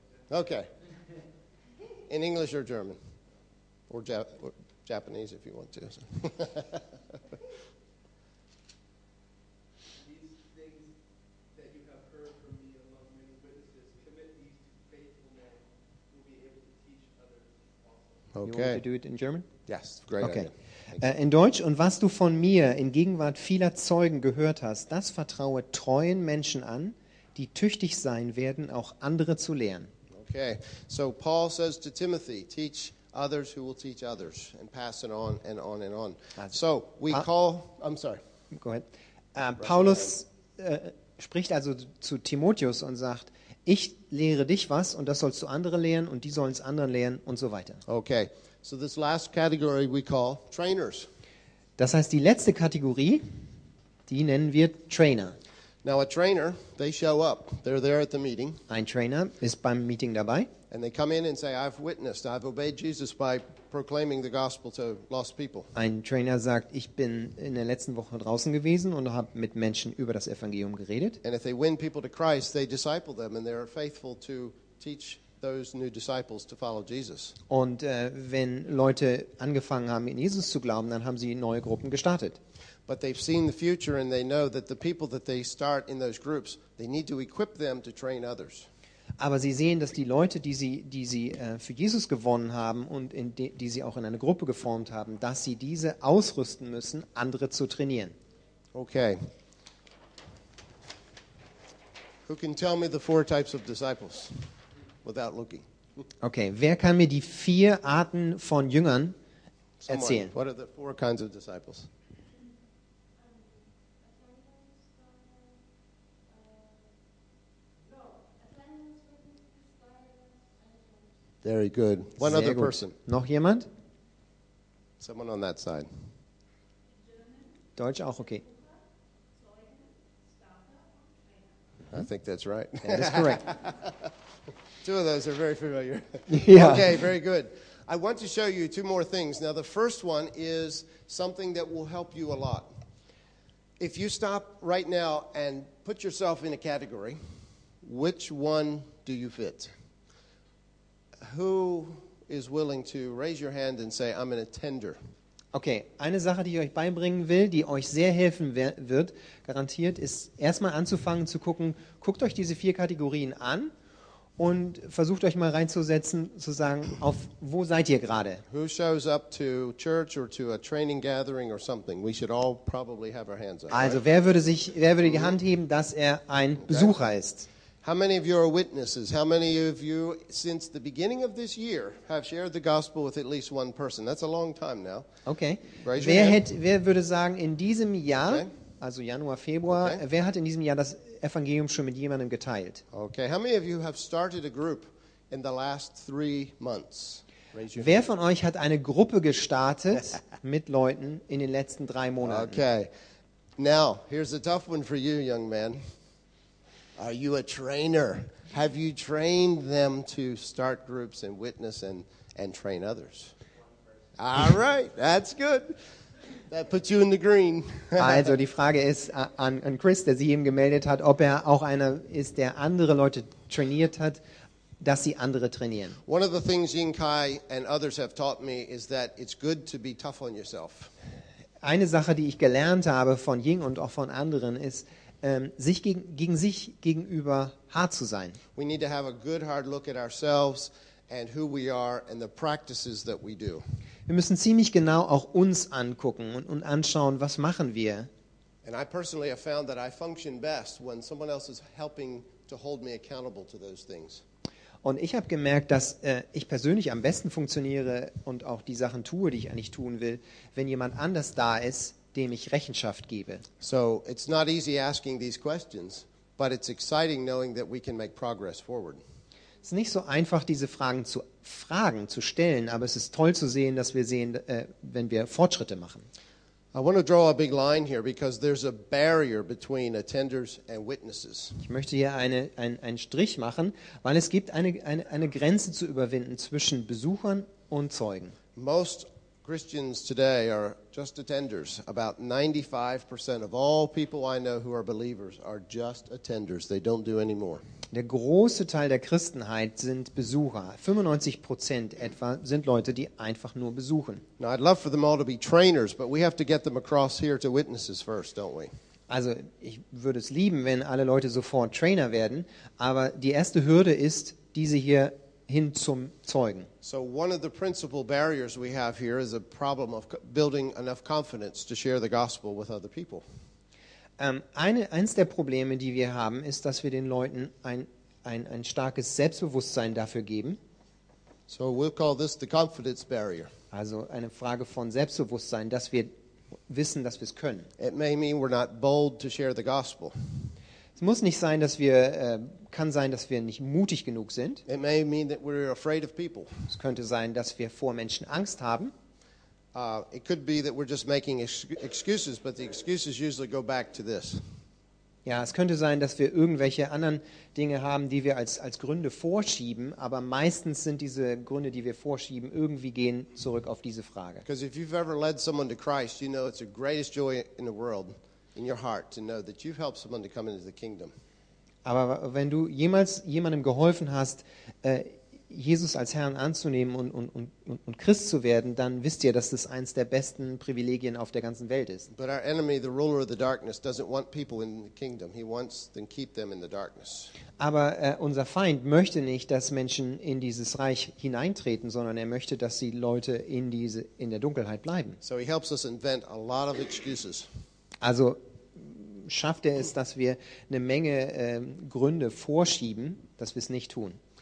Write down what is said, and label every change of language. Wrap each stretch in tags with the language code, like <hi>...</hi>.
<en>Okay. In English or German? Or Japanese if you want to. So. Okay. You want to do it in German? Yes, great okay. idea.</en> <de>In Deutsch, und was du von mir in Gegenwart vieler Zeugen gehört hast, das vertraue treuen Menschen an, die tüchtig sein werden, auch andere zu lehren.</de> <en>Okay, so Paul says to Timothy, teach others who will teach others, and pass it on and on and on. Also, so, we call, I'm sorry. Go ahead.</en> <de>Paulus spricht also zu Timotheus und sagt, ich lehre dich was und das sollst du andere lehren und die sollen es anderen lehren und so weiter.</de> <en>Okay, so this last category we call trainers.</en> <de>Das heißt, die letzte Kategorie, die nennen wir Trainer.</de> <en>Now a trainer, they show up. They're there at the meeting.</en> <de>Ein Trainer ist beim Meeting dabei.</de> <en>And they come in and say, I've witnessed, I've obeyed Jesus by proclaiming the gospel to lost people.</en> <de>Ein Trainer sagt, ich bin in der letzten Woche draußen gewesen und habe mit Menschen über das Evangelium geredet.</de> <en>And if they win people to Christ, they disciple them and they are faithful to teach those new disciples to follow Jesus.</en> <de>Und wenn Leute angefangen haben, in Jesus zu glauben, dann haben sie neue Gruppen gestartet.</de> <en>But they've seen the future and they know that the people that they start in those groups, they need to equip them to train others.</en> <de>Aber sie sehen, dass die Leute, die sie für Jesus gewonnen haben und die sie auch in eine Gruppe geformt haben, dass sie diese ausrüsten müssen, andere zu trainieren.</de> <en>Okay. Who can tell me the four types of disciples without looking?</en> <de>Okay, wer kann mir die vier Arten von Jüngern erzählen?</de> <en>Someone, what are the four kinds of disciples? Very good. One</en> <de>Sehr</de> <en>other</en> <de>gut.</de> <en>Person.</en> <de>Noch jemand?</de> <en>Someone on that side.</en> <de>Deutsch auch okay.</de> <en>I think that's right. That is correct. Two of those are very familiar. Yeah. Okay, very good. I want to show you two more things. Now the first one is something that will help you a lot. If you stop right now and put yourself in a category, which one do you fit? Who is willing to raise your hand and say, I'm an attender?</en> <de>Okay, eine Sache, die ich euch beibringen will, die euch sehr helfen wird, garantiert, ist erstmal anzufangen zu gucken, guckt euch diese vier Kategorien an und versucht euch mal reinzusetzen, zu sagen, auf wo seid ihr gerade?</de> <en>Who shows up to church or to a training gathering or something? We should all probably have our hands up.</en> <de>Also, wer würde die Hand heben, dass er ein Besucher ist?</de> <en>How many of you are witnesses? How many of you, since the beginning of this year, have shared the gospel with at least one person? That's a long time now. Okay.</en> <de>Wer würde sagen, in diesem Jahr, okay. also Januar, Februar, okay. wer hat in diesem Jahr das Evangelium schon mit jemandem geteilt?</de> <en>Okay. How many of you have started a group in the last 3 months?</en> <de>Wer von euch hat eine Gruppe gestartet mit Leuten in den letzten 3 Monaten?</de> <en>Okay. Now, here's a tough one for you, young man. Are you a trainer? Have you trained them to start groups and witness and train others? All right, that's good. That puts you in the green.</en> <de>Also die Frage ist an Chris, der sich eben gemeldet hat, ob er auch einer ist, der andere Leute trainiert hat, dass sie andere trainieren.</de> <en>One of the things Ying Kai and others have taught me is that it's good to be tough on yourself.</en> <de>Eine Sache, die ich gelernt habe von Ying und auch von anderen, ist sich gegen sich gegenüber hart zu sein.</de> <en>We need to have a good hard look at ourselves and who we are and the practices that we do.</en> <de>Wir müssen ziemlich genau auch uns angucken und anschauen, was machen wir.</de> <en>And I personally have found that I function best when someone else is helping to hold me accountable to those things.</en> <de>Und ich habe gemerkt, dass ich persönlich am besten funktioniere und auch die Sachen tue, die ich eigentlich tun will, wenn jemand anders da ist, dem ich Rechenschaft gebe.</de> <en>So it's not easy asking these questions, but it's exciting knowing that we can make progress forward.</en> <de>Es ist nicht so einfach, diese Fragen zu stellen, aber es ist toll zu sehen, dass wir sehen, wenn wir Fortschritte machen.</de> <en>I want to draw a big line here because there's a barrier between attenders and witnesses.</en> <de>Ich möchte hier einen Strich machen, weil es gibt eine Grenze zu überwinden zwischen Besuchern und Zeugen.</de> <en>Most Christians today are just attenders. About 95% of all people I know who are believers are just attenders. They don't do any more.</en> <de>Der große Teil der Christenheit sind Besucher. 95% etwa sind Leute, die einfach nur besuchen.</de> <en>Now I'd love for them all to be trainers, but we have to get them across here to witnesses first, don't we?</en> <de>Also, ich würde es lieben, wenn alle Leute sofort Trainer werden, aber die erste Hürde ist, diese hier hin zum Zeugen.</de> <en>So one of the principal barriers we have here is a problem of building enough confidence to share the gospel with other people.</en> <de>Eins der Probleme, die wir haben, ist, dass wir den Leuten ein starkes Selbstbewusstsein dafür geben.</de> <en>So we'll call this the confidence barrier.</en> <de>Also eine Frage von Selbstbewusstsein, dass wir wissen, dass wir es können.</de> <en>It may mean we're not bold to share the gospel.</en> <de>Es muss nicht sein, dass wir kann sein, dass wir nicht mutig genug sind.</de> <en>It may mean that we're afraid of people.</en> <de>Es könnte sein, dass wir vor Menschen Angst haben.</de> <en>It could be that we're just making excuses, but the excuses usually go back to this.</en> <de>Ja, es könnte sein, dass wir irgendwelche anderen Dinge haben, die wir als Gründe vorschieben, aber meistens sind diese Gründe, die wir vorschieben, irgendwie gehen zurück auf diese Frage.</de> <en>Because if you've ever led someone to Christ, you know it's the greatest joy in the world in your heart to know that you've helped someone to come into the kingdom.</en> <de>Aber wenn du jemals jemandem geholfen hast, Jesus als Herrn anzunehmen und Christ zu werden, dann wisst ihr, dass das eins der besten Privilegien auf der ganzen Welt ist.</de> <en>But our enemy, the ruler of the darkness, doesn't want people in the kingdom. He wants to keep them in the darkness.</en> <de>Aber unser Feind möchte nicht, dass Menschen in dieses Reich hineintreten, sondern er möchte, dass die Leute in der Dunkelheit bleiben.</de> <en>So he helps us invent a lot of excuses.</en> <de>Also schafft er es, dass wir eine Menge Gründe vorschieben, dass wir es nicht tun.</de>